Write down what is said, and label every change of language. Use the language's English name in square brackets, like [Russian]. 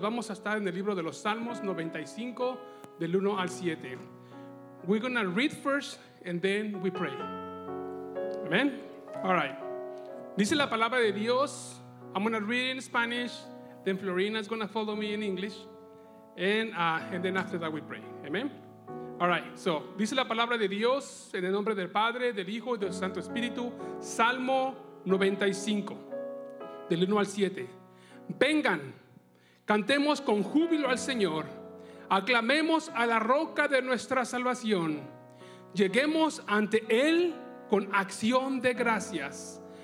[Spanish] Vamos a estar en el libro de los Salmos 95, del 1 al 7. [English] We're going to read first, and then we pray. Amen? All right. [Spanish] Dice la palabra de Dios. [English] I'm going to read in Spanish. Then Florina is going to follow me in English. And then after that, we pray. Amen? All right. [Spanish] So, dice la palabra de Dios en el nombre del Padre, del Hijo y del Santo Espíritu. Salmo 95, del 1 al 7. Vengan, cantemos con júbilo al Señor. Aclamemos a la roca de nuestra salvación. Lleguemos ante Él con acción de gracias.